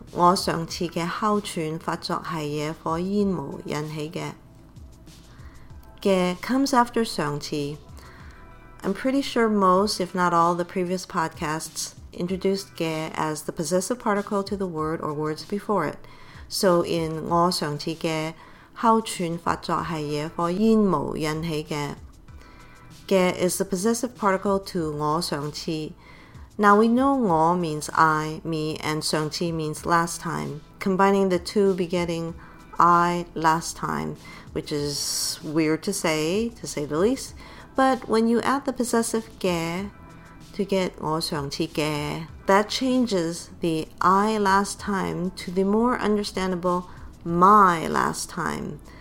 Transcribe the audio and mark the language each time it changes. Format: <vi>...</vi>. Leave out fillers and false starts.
<zh>我上次的哮喘发作是野火烟雾引起的。</zh> <en>的 comes after 上次。 I'm pretty sure most, if not all, the previous podcasts introduced 的 as the possessive particle to the word or words before it. So in</en> <zh>我上次的哮喘发作是野火烟雾引起的。</zh> <en>的 is the possessive particle to 我上次。 Now we know 我 means I, me, and 上次 means last time. Combining the two begetting I last time, which is weird to say the least. But when you add the possessive 게 to get 我上次 게, that changes the I last time to the more understandable my last time.</en>